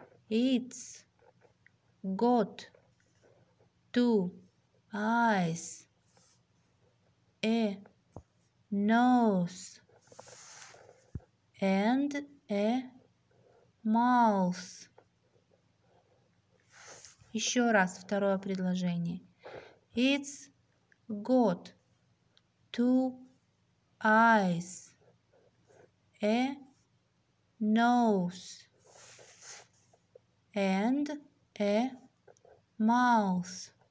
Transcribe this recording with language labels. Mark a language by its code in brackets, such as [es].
[en] It's got two eyes, a nose and a mouth. [ru] Еще раз второе предложение. [en] It's got two eyes, a nose, and a mouth.